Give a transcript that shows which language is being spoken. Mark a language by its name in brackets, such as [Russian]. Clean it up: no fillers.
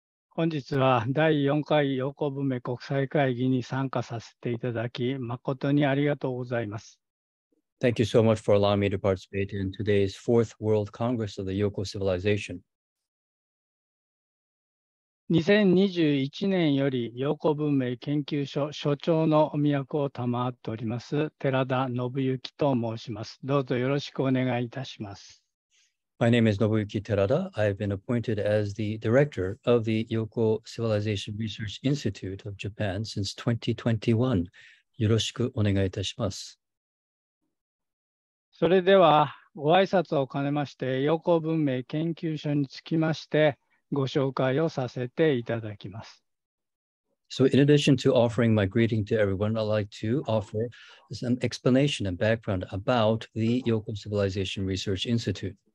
[Japanese] 本日は第4回ヨコブメ国際会議に参加させていただき誠にありがとうございます。 [English] Thank you so much for allowing me to participate in today's 4th World Congress of the Yoko Civilization. [Japanese] 2021年よりヨコ文明研究所所長のお脈を賜っております寺田信幸と申します。どうぞよろしくお願いいたします。 [English] My name is Nobuyuki Terada. I have been appointed as the director of the Yoko Civilization Research Institute of Japan since 2021. [Japanese] よろしくお願いいたします。それではご挨拶を兼ねまして、ヨコ文明研究所につきましてご紹介をさせていただきます。 [English] So in addition to offering my greeting to everyone, I'd like to offer some explanation and background about the Yoko Civilization Research Institute.